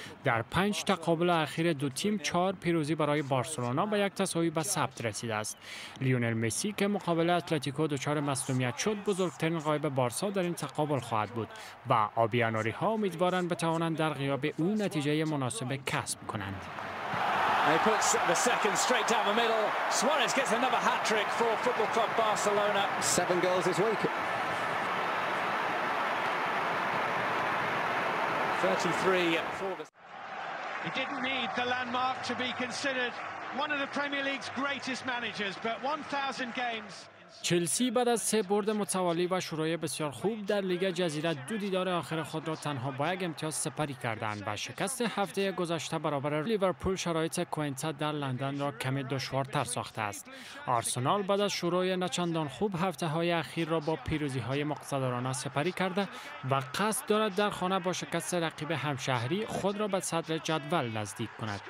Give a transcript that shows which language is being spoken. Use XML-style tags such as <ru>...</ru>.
<fa>در پنج تقابل اخیر دو تیم چهار پیروزی برای بارسلونا و یک تساوی به ثبت رسیده است. لیونل مسی که مقابل اتلتیکو دچار مصدومیت شد، بزرگترین غایب بارسا در این تقابل خواهد بود و آبیاناری ها امیدوارند بتوانند در غیاب او نتیجه مناسب کسب کنند.</fa> <en>He puts the second straight down the middle. Suarez gets another hat-trick for Football Club Barcelona. Seven goals this week. 33. He didn't need the landmark to be considered one of the Premier League's greatest managers, but 1,000 games...</en> <fa>چلسی بعد از سه برد متوالی و شروع بسیار خوب در لیگ جزیره، دو دیدار آخر خود را تنها با یک امتیاز سپری کردند و شکست هفته گذشته برابر لیورپول شرایط کوینتا در لندن را کمی دشوارتر ساخته است. آرسنال بعد از شروع نچندان خوب هفته های اخیر را با پیروزی های مقتدرانه سپری کرده و قصد دارد در خانه با شکست رقیب همشهری خود را به صدر جدول نزدیک کند.</fa>